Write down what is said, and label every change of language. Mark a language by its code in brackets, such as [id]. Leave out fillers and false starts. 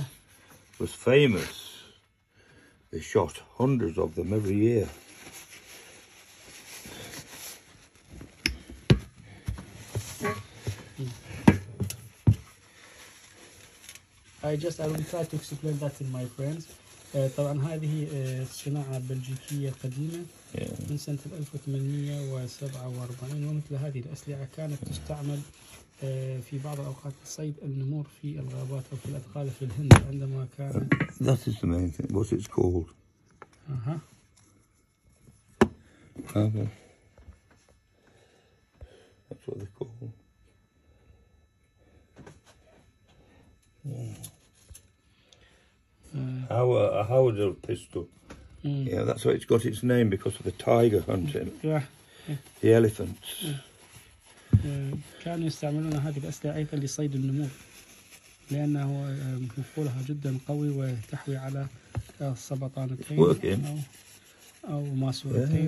[en] It was famous. They shot hundreds of them every year. I will try to explain that to my friends. [ar] طبعاً هذه صناعة بلجيكية قديمة من سنة 1847 ومثل هذه الأسلحة كانت تستعمل في بعض الأوقات لصيد النمور في الغابات أو في الأدغال في الهند عندما كان. [en] That is the main thing. What it's called? Uh-huh. That's what they call. A howitzer pistol. Mm. Yeah, that's why it's got its name, because of the tiger hunting. Yeah. The elephants. [ar] كانوا يستعملون هذه الأسلحة أيضا لصيد النمور لأنه مفعولها جدا قوي وتحوي على السبطانتين أو ماسورتين.